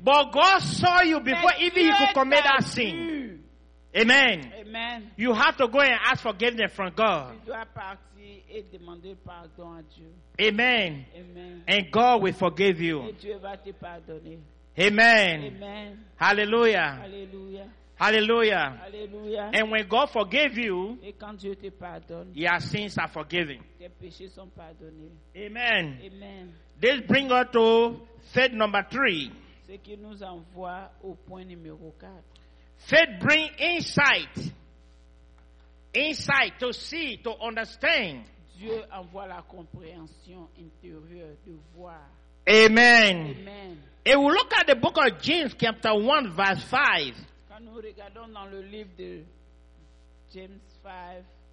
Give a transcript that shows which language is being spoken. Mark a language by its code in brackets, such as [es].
[en] But God saw you before even you could commit that sin. Amen. Amen. You have to go and ask forgiveness from God. [fr] Tu dois partir et demander pardon à Dieu. Amen. Amen. [en] And God will forgive you. [fr] Et Dieu va te pardonner. Amen. Amen. Hallelujah. Hallelujah. Hallelujah. Hallelujah. [en] And when God forgave you, [fr] et quand Dieu te pardonne, [en] your sins are forgiven. [fr] Tes péchés sont pardonnés. Amen. Amen. [en] This brings us to faith number 3. [fr] Ce qui nous envoie au point numéro 4. [en] Faith brings insight. Insight to see, to understand. [fr] Dieu envoie la compréhension intérieure de voir. Amen. Amen. [en] And we look at the book of James, chapter 1, verse 5. [fr] Quand nous regardons dans le livre de James 5.